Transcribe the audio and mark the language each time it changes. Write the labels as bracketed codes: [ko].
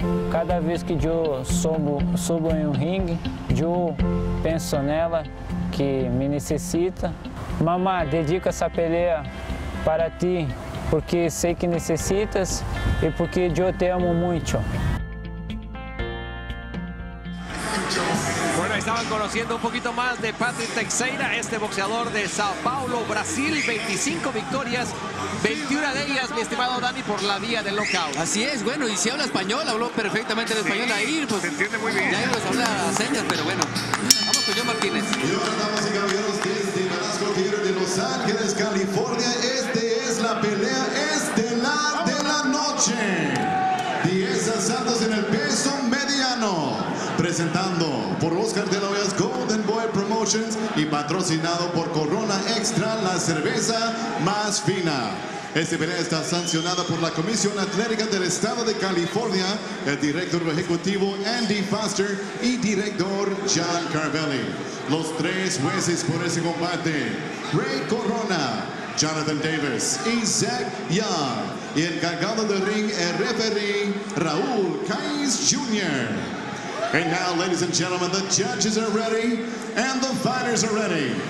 [pt] Cada vez que eu subo em um ringue, eu penso nela, que me necessita. Mamá, dedico essa peleia para ti, porque sei que necessitas e porque eu te amo muito. [es] Estaban conociendo un poquito más de Patrick Teixeira, este boxeador de Sao Paulo, Brasil. 25 victorias, 21 de ellas, mi estimado Dani, por la vía del knockout. Así es, bueno, y si habla español, habló perfectamente el español. Sí, ahí, pues, se entiende muy bien. Ya ellos hablan a señas, pero bueno. Vamos con John Martínez. Y ahora, damas y caballeros, desde Velasco Theater de Los Ángeles, California, esta es la pelea estelar de la noche. Diez asaltos en el peso mediano. Presentando por Oscar de la Hoya's Golden Boy Promotions y patrocinado por Corona Extra, la cerveza más fina. Esta pelea está sancionada por la Comisión Atlética del Estado de California, el director ejecutivo Andy Foster y director John Carvelli. Los tres jueces por ese combate, Ray Corona, Jonathan Davis y Zach Young. Y el encargado del ring, el referee, Raúl Caiz Jr. [en] And now, ladies and gentlemen, the judges are ready and the fighters are ready.